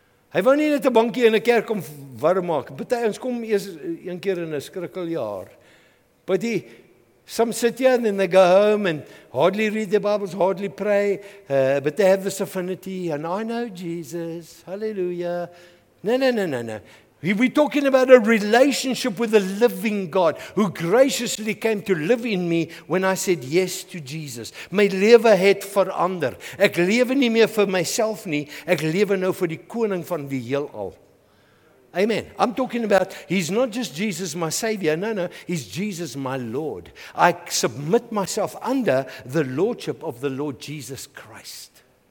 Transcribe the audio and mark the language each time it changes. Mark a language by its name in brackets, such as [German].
[Afrikaans] Hy wou nie net 'n bankie in 'n kerk om warm maak. Party ons kom eers een keer in 'n skrikkeljaar. [English] But he, some sit here and then they go home and hardly read their Bibles, hardly pray, but they have this affinity, and I know Jesus, hallelujah. No. We're talking about a relationship with the living God who graciously came to live in me when I said yes to Jesus. [Afrikaans] My lewe het verander. Ek lewe nie meer vir myself nie. Ek lewe nou vir die koning van die heelal. Amen. [English] I'm talking about he's not just Jesus my Savior. No. He's Jesus my Lord. I submit myself under the Lordship of the Lord Jesus Christ.